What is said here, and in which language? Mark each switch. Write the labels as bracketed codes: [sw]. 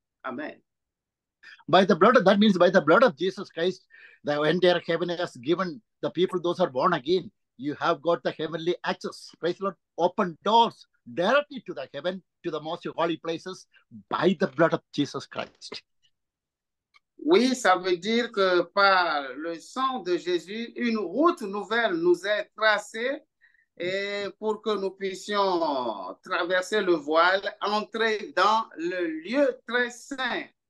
[en] Amen. By the blood, that means by the blood of Jesus Christ, the entire heaven has given the people, those are born again. You have got the heavenly access. Praise the Lord. Open doors directly to the heaven, to the most holy places, by the blood of Jesus Christ. [fr] Oui, ça veut dire que par le sang de Jésus, une route nouvelle nous est tracée et pour que nous puissions traverser le voile, entrer dans le lieu très saint.